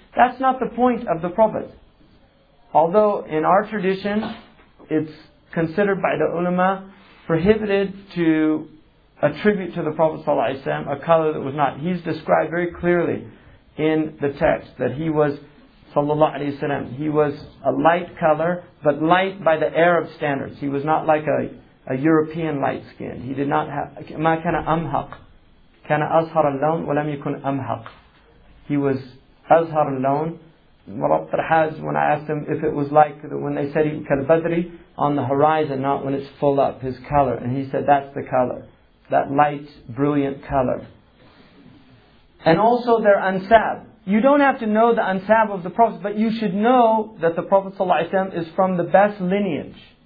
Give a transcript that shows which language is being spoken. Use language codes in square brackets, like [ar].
[en] That's not the point of the prophet. Although in our tradition, it's considered by the ulama prohibited to attribute to the Prophet ﷺ a color that was not. He's described very clearly in the text that he was, sallallahu alayhi wa sallam, he was a light color, but light by the Arab standards. He was not like a European light skin. He did not have, [ar] ما كان أمهق. كان أزهر اللون ولم يكن أمهق. [en] He was [ar] أزهر اللون. [en] مرابط الحاج, when I asked him if it was like, when they said كالبدري, on the horizon, not when it's full up, his color. And he said, that's the color. That light, brilliant color. And also their ansab. You don't have to know the ansab of the Prophet, but you should know that the Prophet ﷺ is from the best lineage.